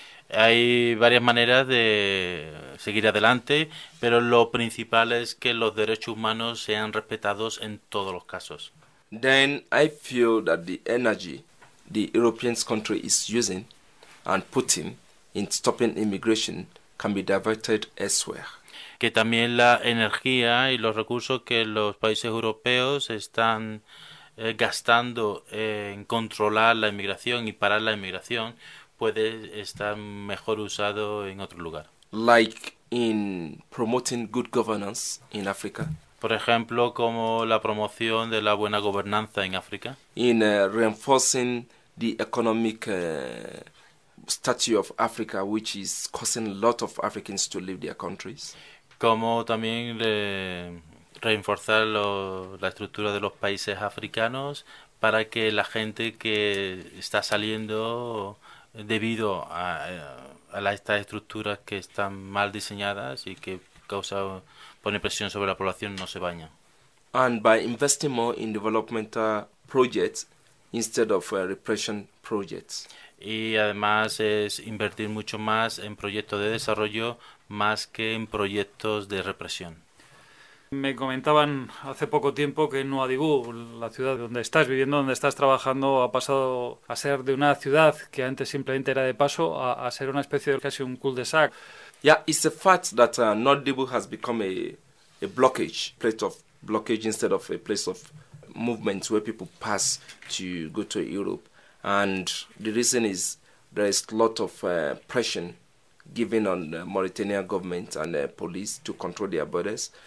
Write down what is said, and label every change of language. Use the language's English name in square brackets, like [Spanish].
[Spanish] Hay varias maneras de seguir adelante, pero lo principal es que los derechos humanos sean respetados en todos los casos. [English] Then I feel that the energy the European country is using and putting in stopping immigration can be diverted elsewhere. [Spanish] Que también la energía y los recursos que los países europeos están gastando en controlar la inmigración y parar la inmigración puede estar mejor usado en otro lugar. [English] Like in promoting good governance in Africa. [Spanish] Por ejemplo, como la promoción de la buena gobernanza en África. [English] In reinforcing the economic status of Africa, which is causing a lot of Africans to leave their countries. [Spanish] Como también reforzar la estructura de los países africanos para que la gente que está saliendo debido a estas estructuras que están mal diseñadas y que pone presión sobre la población, no se baña. [English] And by investing more in developmental projects instead of repression projects. [Spanish] y además es invertir mucho más en proyectos de desarrollo más que en proyectos de represión. Me comentaban hace poco tiempo que Nuadhibu, la ciudad donde estás viviendo, donde estás trabajando, ha pasado a ser de una ciudad que antes simplemente era de paso a ser una especie de casi un cul-de-sac. [English] Yeah, it's a fact that Nuadhibu has become a blockage, place of blockage instead of a place of movement where people pass to go to Europe. And the reason is there is a lot of pressure given on the Mauritanian government and the police to control their borders.